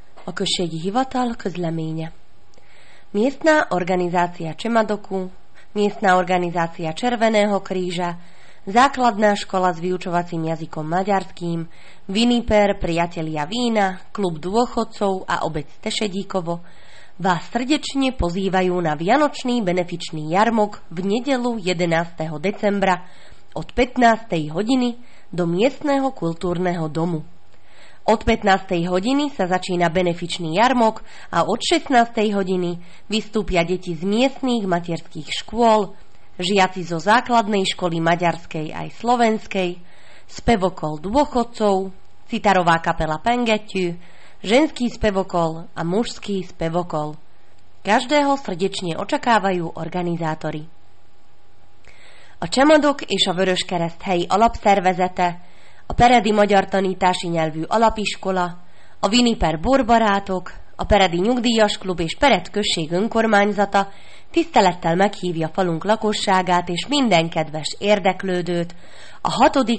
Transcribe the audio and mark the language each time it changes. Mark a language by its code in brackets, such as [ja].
[hu] Okošej hivatal közleménye. [sk] Miestna organizácia Čemadoku, miestna organizácia Červeného kríža, základná škola s vyučovacím jazykom maďarským, Viniper, priatelia vína, klub dôchodcov a obec Tešedíkovo vás srdečne pozývajú na vianočný benefičný jarmok v nedeľu 11. decembra od 15. hodiny do miestneho kultúrneho domu. Od 15. hodiny sa začína benefičný jarmok a od 16. hodiny vystúpia deti z miestnych materských škôl, žiaci zo základnej školy maďarskej aj slovenskej, spevokol dôchodcov, citarová kapela Pengetu, ženský spevokol a mužský spevokol. Každého srdečne očakávajú organizátori. [hu] A Čemadok és a Vöröskereszt helyi alapszervezete, a Peredi Magyar Tanítási Nyelvű Alapiskola, a Viniper Borbarátok, a Peredi Nyugdíjas Klub és Pered Község Önkormányzata tisztelettel meghívja falunk lakosságát és minden kedves érdeklődőt a 6.